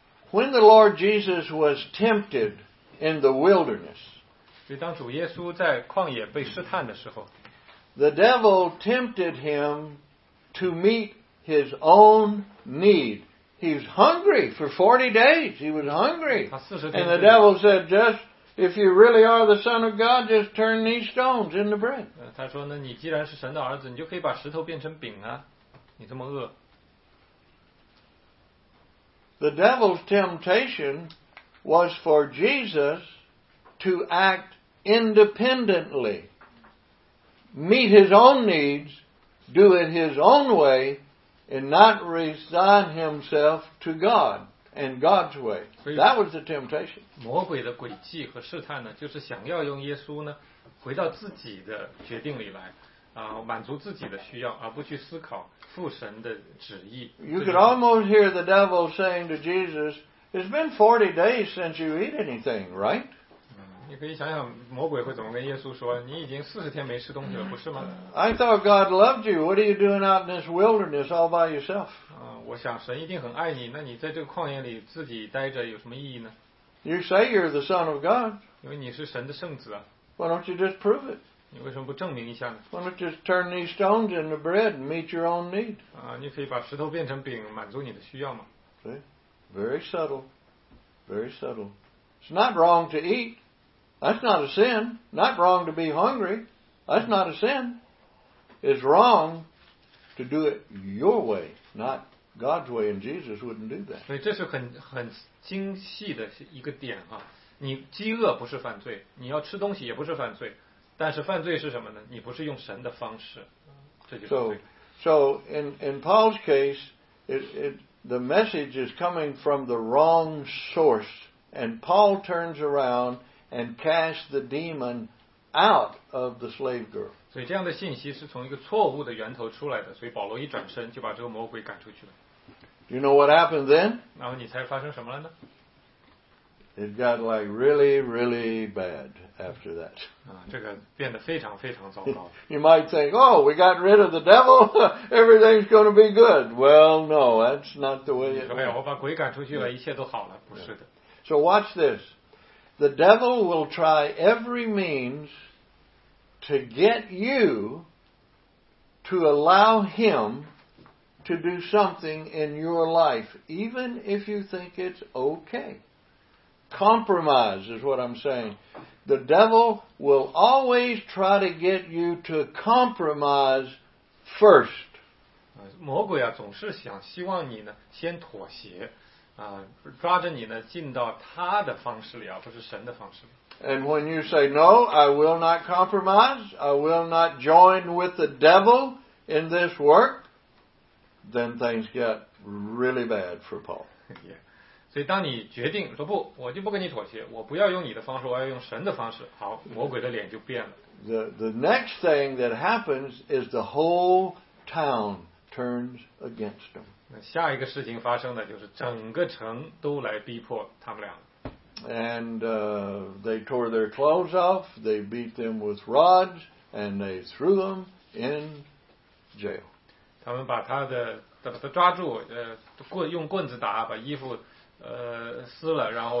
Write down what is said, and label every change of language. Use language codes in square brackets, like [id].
[en] When the Lord Jesus was tempted in the wilderness, [zh] 所以当主耶稣在旷野被试探的时候, [en] The devil tempted him to meet his own need. He was hungry for 40 days. He was hungry. And the devil said, just if you really are the Son of God, just turn these stones into bread. [zh] 他说, 那你既然是神的儿子, 你就可以把石头变成饼啊, 你这么饿。 [en] The devil's temptation was for Jesus to act independently, meet his own needs, do it his own way, and not resign himself to God and God's way. That was the temptation. [zh] 魔鬼的诡计和试探呢, 就是想要用耶稣呢, 回到自己的决定里来, 满足自己的需要, 而不去思考父神的旨意。 [en] You could almost hear the devil saying to Jesus, it's been 40 days since you eat anything, right? [zh] 你可以想想魔鬼会怎么跟耶稣说, 你已经40天没吃东西了,不是吗? [en] I thought God loved you. What are you doing out in this wilderness all by yourself? [zh] 我想神一定很爱你, 那你在这个旷野里自己待着有什么意义呢? [en] You say you're the Son of God. [zh] 因为你是神的圣子啊。 [en] Why don't you just prove it? [zh] 你为什么不证明一下呢? [en] Why don't you just turn these stones into bread and meet your own need? [zh] 你可以把石头变成饼, 满足你的需要吗? [en] See? Very subtle. Very subtle. It's not wrong to eat. That's not a sin. Not wrong to be hungry. That's not a sin. It's wrong to do it your way, not God's way, and Jesus wouldn't do that. [zh] 所以这是很精细的一个点啊。你饥饿不是犯罪, 你要吃东西也不是犯罪, 但是犯罪是什么呢? 你不是用神的方式, 这就是罪。 [en] So in Paul's case, the message is coming from the wrong source, and Paul turns around and cast the demon out of the slave girl. [zh] 所以这样的信息是从一个错误的源头出来的, 所以保罗一转身就把这个魔鬼赶出去了。 [en] Do you know what happened then? [zh] 然后你猜发生什么了呢? [en] It got like really, really bad after that. [zh] 这个变得非常非常糟糕。 [en] You might think, oh, we got rid of the devil, everything's going to be good. Well, no, that's not the way it is. [zh] 我把鬼赶出去了, 一切都好了,不是的。 [en] So watch this. The devil will try every means to get you to allow him to do something in your life, even if you think it's okay. Compromise is what I'm saying. The devil will always try to get you to compromise first. [zh] 魔鬼啊, 总是想, 希望你呢, 先妥协。抓着你呢, 进到他的方式里啊, 不是神的方式里。 [en] And when you say, no, I will not compromise, I will not join with the devil in this work, then things get really bad for Paul. Yeah. [zh] 所以当你决定, 说不, 我就不跟你妥协, 我不要用你的方式, 我要用神的方式, 好, 魔鬼的脸就变了。 [en] The next thing that happens is the whole town turns against them. [zh] 下一个事情发生的, 就是整个城都来逼迫他们俩。 [en] And they tore their clothes off, they beat them with rods, and they threw them in jail. [zh] 他们把他的, 把他抓住, 用棍子打, 把衣服, 撕了,